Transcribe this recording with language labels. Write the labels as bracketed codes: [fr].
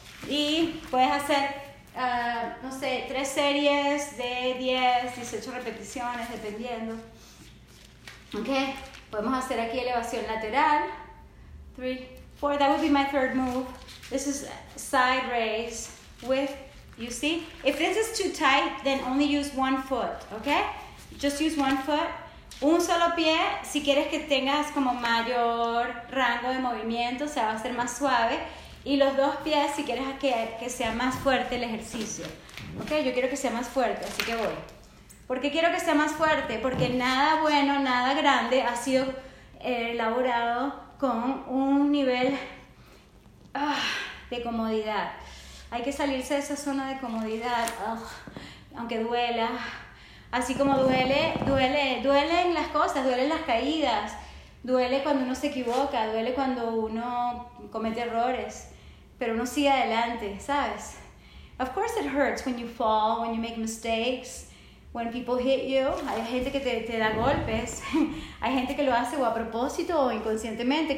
[es] Y puedes hacer, 3 series de 10, 18 repeticiones, dependiendo. Ok, podemos hacer aquí elevación lateral, 3, 4, [en] that would be my third move. This is side raise with, you see, if this is too tight, then only use one foot, ok? Just use one foot. [es] Un solo pie, si quieres que tengas como mayor rango de movimiento, o sea, va a ser más suave. Y los dos pies, si quieres que sea más fuerte el ejercicio. Ok, yo quiero que sea más fuerte, así que voy. ¿Por qué quiero que sea más fuerte? Porque nada bueno, nada grande ha sido elaborado con un nivel de comodidad. Hay que salirse de esa zona de comodidad, aunque duela. Así como duelen las cosas, duelen las caídas. Duele cuando uno se equivoca, duele cuando uno comete errores, pero uno sigue adelante, ¿sabes? [en] Of course it hurts when you fall, when you make mistakes, when people hit you. [es] Hay gente que te da golpes, hay gente que lo hace o a propósito o inconscientemente.